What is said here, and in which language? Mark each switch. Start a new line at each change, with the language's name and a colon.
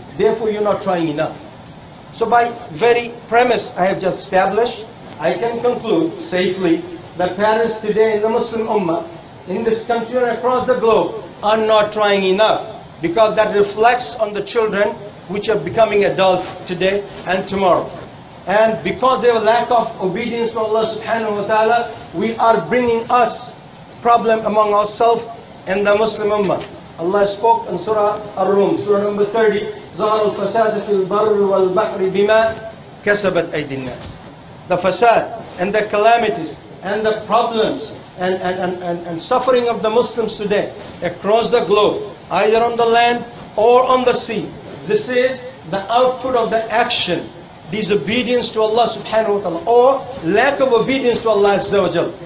English: Therefore, you're not trying enough. So by very premise I have just established, I can conclude safely that parents today in the Muslim Ummah, in this country and across the globe, are not trying enough, because that reflects on the children which are becoming adult today and tomorrow. And because they have a lack of obedience to Allah subhanahu wa ta'ala, we are bringing us problem among ourselves and the Muslim Ummah. Allah spoke in Surah Ar-Rum, Surah number 30,
Arabic: ظهر الفساد في البر والبحر بما كسبت أيدي الناس.
English: The fasad and the calamities and the problems and suffering of the Muslims today across the globe, either on the land or on the sea, this is the output of the action, disobedience to Allah subhanahu wa ta'ala, or lack of obedience to Allah azza wa jal.